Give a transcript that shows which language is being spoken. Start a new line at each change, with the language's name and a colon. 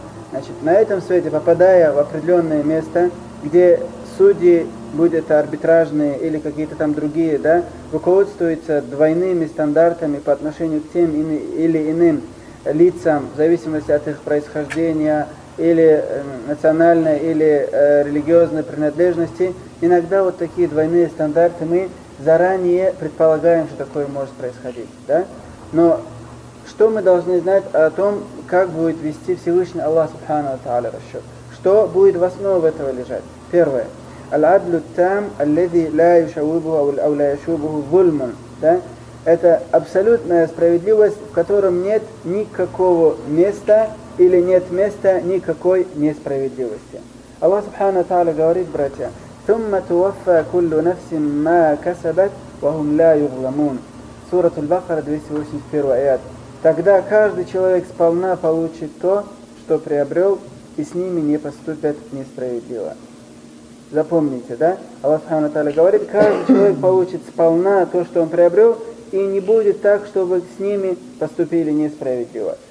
Russian: Значит, на этом свете, попадая в определенное место, где судьи, будь это арбитражные или какие-то там другие, да, руководствуются двойными стандартами по отношению к тем или иным лицам, в зависимости от их происхождения или национальной, или религиозной принадлежности. Иногда вот такие двойные стандарты мы заранее предполагаем, что такое может происходить. Да? Но что мы должны знать о том, как будет вести Всевышний Аллах Субхану ва Тааля расчет? Что будет в основе этого лежать? Первое.
Arabic: العدل التام الذي لا يشوبه أو لا يشوبه ظلم.
Russian: Да? Это абсолютная справедливость, в котором нет никакого места или нет места никакой несправедливости. Аллах Субхану ва Тааля говорит, братья,
Arabic: ثم توفى كل نفس ما كسبت وهم لا يظلمون.
Russian: Сура Аль-Бакара, 281 аят. Тогда каждый человек сполна получит то, что приобрел, и с ними не поступят несправедливо. Запомните, да? Аллах Субхану ва Тааля говорит, каждый человек получит сполна то, что он приобрел, и не будет так, чтобы с ними поступили несправедливо.